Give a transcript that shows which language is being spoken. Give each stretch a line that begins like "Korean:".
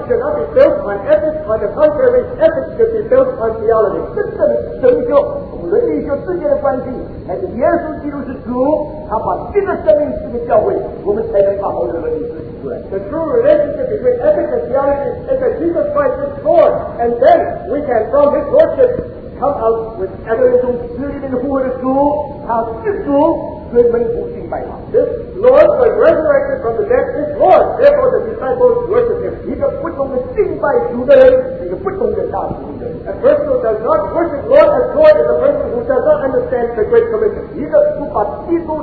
English: should not be built on ethics, on the contrary, ethics should be built on theology.
Chinese: 真正的神就 人类就自己的关系，还是耶稣基督是主，他把这个生命赐给教会，我们才能把好的伦理学习出来。The
English: true relationship between ethics and theology is that Jesus Christ is Lord, and then we can, from His lordship, come out with
Chinese: evidence.从死里面复活的主，他是主，所以门徒敬拜他。
English: This Lord was resurrected from the dead is Lord, therefore the disciples worship Him.
Chinese: 一个不懂得敬拜主的人，一个不懂得大主的人。
English: A person who does not worship Lord as Lord is a person who does not understand the Great Commission.